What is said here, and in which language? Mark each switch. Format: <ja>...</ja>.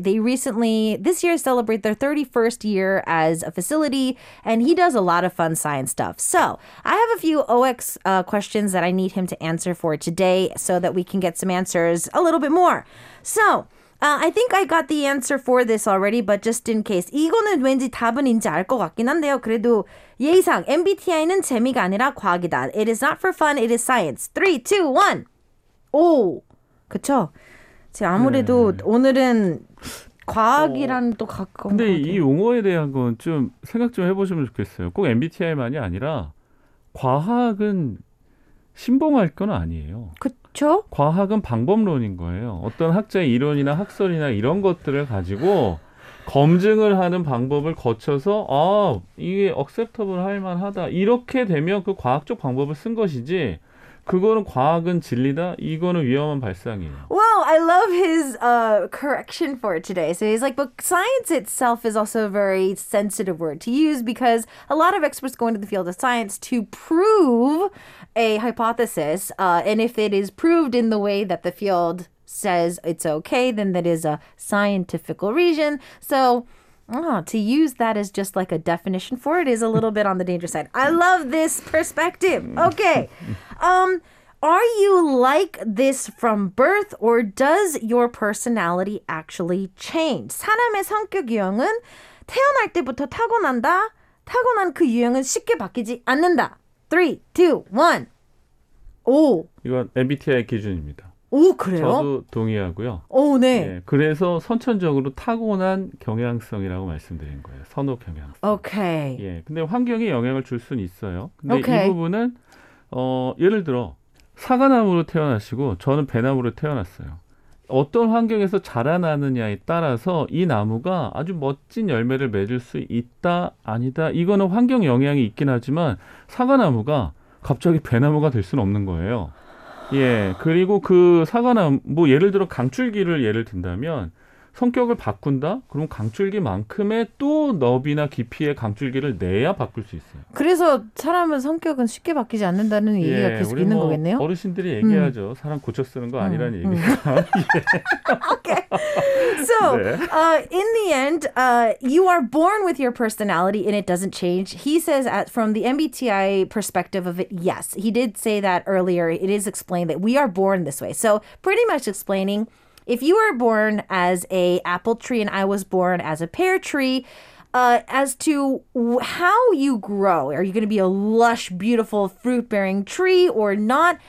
<en>They recently, this year, celebrate their 31st year as a facility, and he does a lot of fun science stuff. So, I have a few OX questions that I need him to answer for today so that we can get some answers a little bit more. So, I think I got the answer for this already, but just in case.</en> <ko>이거는 왠지 답은 인지 알 것 같긴 한데요. 그래도 예상, MBTI는 재미가 아니라 과학이다.</ko> <en>It is not for fun, it is science.</en> <ko>3, 2, 1. 오, 그쵸? 제가 아무래도 네. 오늘은 과학이랑 또 가까운 것 같아요. 근데 이 용어에 대한 건 좀 생각 좀 해보시면 좋겠어요. 꼭 MBTI만이 아니라 과학은 신봉할 건 아니에요. 그렇죠? 과학은 방법론인 거예요. 어떤 학자의 이론이나 학설이나 이런 것들을 가지고 검증을 하는 방법을 거쳐서 아, 이게 acceptable 할 만하다. 이렇게 되면 그 과학적 방법을 쓴 것이지 그거는 과학은 진리다. 이거는 위험한 발상이에요.</ko> <en>Well, I love his correction for today. So he's like, but science itself is also a very sensitive word to use because a lot of experts go into the field of science to prove a hypothesis. And if it is proved in the way that the field says it's okay, then that is a scientific reason. So to use that as just like a definition for it is a little bit on the dangerous side. I love this perspective. Okay. Are you like this from birth or does your personality actually change?</en> <ko>사람의 성격 유형은 태어날 때부터 타고난다. 타고난 그 유형은 쉽게 바뀌지 않는다. 3, 2, 1. 오. 이건 MBTI 기준입니다. 오, 그래요? 저도 동의하고요. 오, 네. 네. 그래서 선천적으로 타고난 경향성이라고 말씀드린 거예요. 선호 경향성. 오케이. 예. 근데 환경이 영향을 줄 수는 있어요. 근데 오케이. 이 부분은 예를 들어 사과나무로 태어나시고 저는 배나무로 태어났어요. 어떤 환경에서 자라나느냐에 따라서 이 나무가 아주 멋진 열매를 맺을 수 있다 아니다. 이거는 환경 영향이 있긴 하지만 사과나무가 갑자기 배나무가 될 수는 없는 거예요. 예. 그리고 그 사과나무 뭐 예를 들어 강줄기를 예를 든다면 성격을 바꾼다? 그럼 강줄기만큼의 또 너비나 깊이의 강줄기를 내야 바꿀 수 있어요. 그래서 사람은 성격은 쉽게 바뀌지 않는다는 얘기가 예, 계속 있는 뭐 거겠네요. 어르신들이 얘기하죠. 사람 고쳐 쓰는 거 아니라는 얘기가. 오케이. So, 네.</ko> <en>In the end, you are born with your personality and it doesn't change. He says at, from the MBTI perspective of it, yes. He did say that earlier. It is explained that we are born this way. So, pretty much explaining, if you were born as a apple tree and I was born as a pear tree, as to how you grow, are you going to be a lush, beautiful, fruit-bearing tree or not?</en>